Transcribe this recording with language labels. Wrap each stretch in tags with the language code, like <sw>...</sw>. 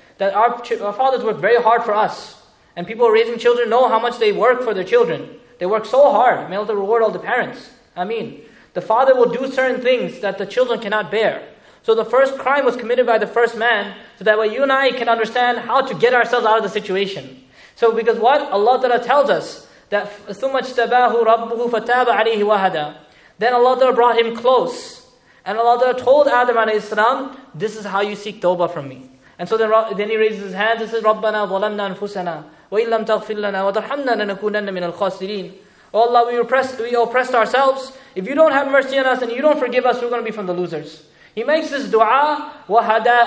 <en>That our fathers work very hard for us. And people raising children know how much they work for their children. They work so hard. May Allah reward all the parents. Ameen. The father will do certain things that the children cannot bear. So the first crime was committed by the first man, so that way you and I can understand how to get ourselves out of the situation. So because what? Allah Ta'ala tells us that</en> <ar>ثُمَّ اجْتَبَاهُ رَبُّهُ فَتَابَ عَلَيْهِ وَهَدَى.</ar> <en>Then Allah Ta'ala brought him close. And Allah Ta'ala told Adam alayhi salam, this is how you seek tawbah from me. And so then he raises his hands and says,</en> <ar>رَبَّنَا ظَلَمْنَا أَنفُسَنَا وَإِن لَمْ تَغْفِرْ لَنَا وَتَرْحَمْنَا لَنَكُونَنَّ مِنَ الْخَاسِرِينَ.</ar> <en>Oh Allah, we oppressed ourselves. If you don't have mercy on us and you don't forgive us, we're going to be from the losers. He makes this dua, وَهَدَى.</en>